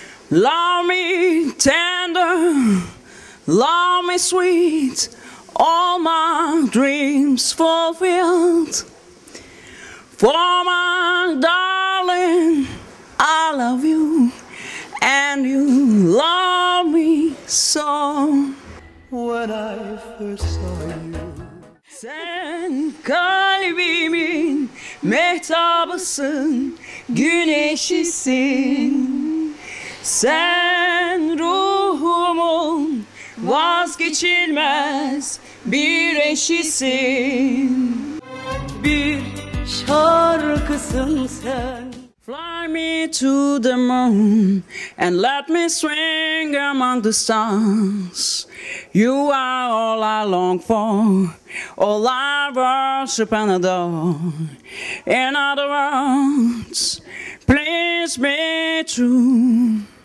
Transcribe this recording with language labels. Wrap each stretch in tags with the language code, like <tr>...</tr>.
<en>Love me tender, love me sweet, all my dreams fulfilled. For my darling, I love you, and you love me so. When I first saw you,</en> <tr>sen kalbimin mehtabısın, güneşisin. Sen ruhumun vazgeçilmez bir eşisin. Bir şarkısın sen.</tr> <en>Fly me to the moon and let me swing among the stars. You are all I long for, all I worship and adore. In other words, please be true.</en>